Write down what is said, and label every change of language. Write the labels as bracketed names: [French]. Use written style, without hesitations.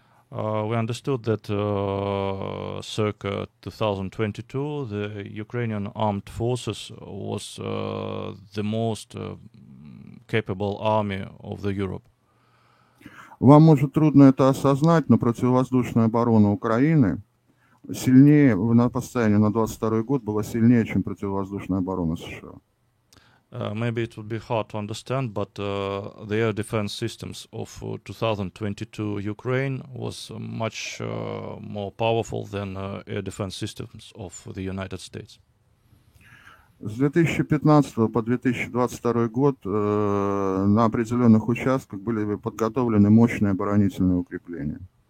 [English] We understood that circa 2022 the Ukrainian armed forces was the most capable army of the Europe. [Russian] Вам может трудно это осознать, но противовоздушная оборона Украины сильнее на постоянно на 22 год была сильнее, чем противовоздушная оборона США. [English] Maybe it would be hard to understand, but the air defense systems of 2022 Ukraine was much more powerful than air defense systems of the United States. [Russian] С 2015 по 2022 год на определенных участках были подготовлены мощные оборонительные укрепления.